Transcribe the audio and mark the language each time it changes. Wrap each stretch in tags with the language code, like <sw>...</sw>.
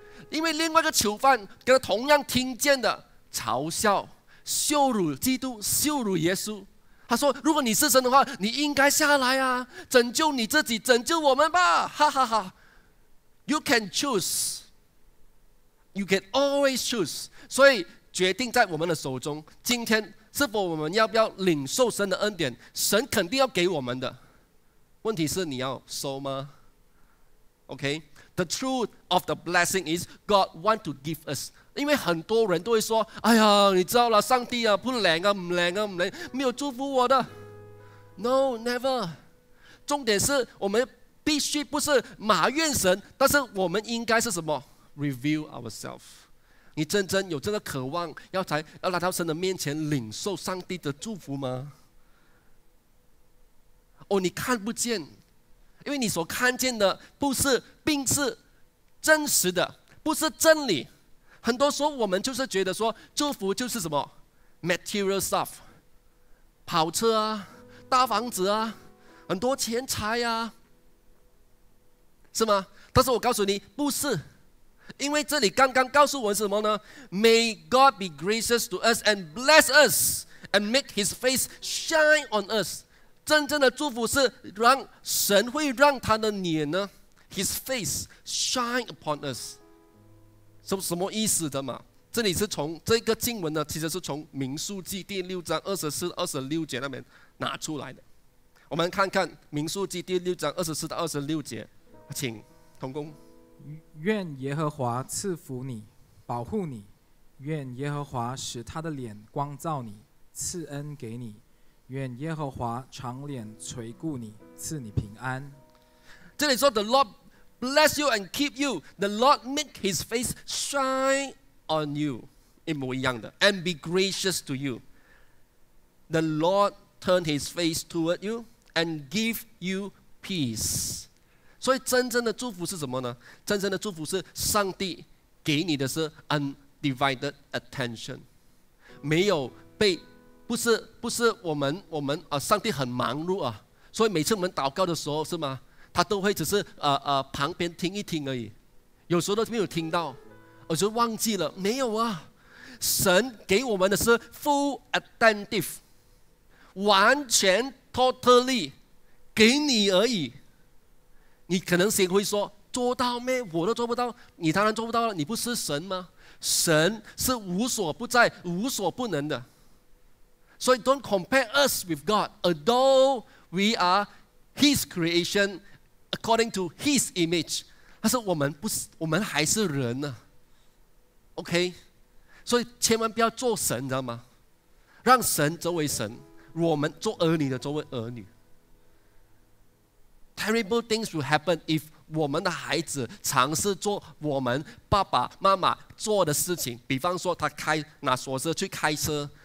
<zh>因为另外一个囚犯跟他同样听见的嘲笑、羞辱基督、羞辱耶稣，他说，如果你是神的话，你应该下来啊，拯救你自己，拯救我们吧，哈哈哈。</zh> <en>You can choose, you can always choose。</en> <zh>所以决定在我们的手中，今天是否我们要不要领受神的恩典，神肯定要给我们的，问题是你要收吗？</zh> <en>OK, the truth of the blessing is God want to give us。</en> <zh>因为很多人都会说，哎呀，你知道了，上帝啊，不灵啊，不灵啊，不灵，没有祝福我的。</zh> <en>No, never。</en> <zh>重点是我们必须不是埋怨神，但是我们应该是什么？</zh> <en>Reveal ourselves。</en> <zh>你真正有这个渴望要才要来到神的面前领受上帝的祝福吗？哦，你看不见，因为你所看见的不是并是真实的，不是真理。很多时候我们就是觉得说，祝福就是什么</zh> <en>material stuff,</en> <zh>跑车啊，大房子啊，很多钱财啊，是吗？但是我告诉你不是，因为这里刚刚告诉我们是什么呢？</zh> <en>May God be gracious to us and bless us and make his face shine on us。</en> <zh>真正的祝福是让神会让他的脸呢</zh> <en>His face shine upon us。</en> <zh>是什么意思的嘛？这里是从这个经文呢，其实是从民数记第六章二十四二十六节那边拿出来的。我们看看民数记第六章二十四到二十六节，请同工。愿耶和华赐福你，保护你，愿耶和华使他的脸光照你，赐恩给你，愿耶和华长脸垂顾你，赐你平安。这里说</zh> <en>The Lord bless you and keep you, The Lord make his face shine on you,</en> <zh>一模一样的</zh> <en>And be gracious to you, The Lord turn his face toward you and give you peace。</en> <zh>所以真正的祝福是什么呢？真正的祝福是上帝给你的是</zh> <en>undivided attention,</en> <zh>没有被不是不是我们啊，上帝很忙碌啊，所以每次我们祷告的时候是吗？他都会只是旁边听一听而已，有时候都没有听到，我就忘记了。没有啊，神给我们的是</zh> <en>full attentive,</en> <zh>完全</zh> <en>totally</en> <zh>给你而已。你可能心会说，做到没？我都做不到，你当然做不到了。你不是神吗？神是无所不在、无所不能的。</zh> <en>So don't compare us with God, although we are His creation according to His image.</en> <zh>但是我们不是，我们还是人呢。</zh> <en>OK?</en> <zh>所以千万不要做神，你知道吗？让神作为神，我们做儿女的作为儿女。</zh> <en>Terrible things will happen if</en> <zh>我们的孩子尝试做我们爸爸妈妈做的事情，比方说他开拿锁匙去开车。</zh>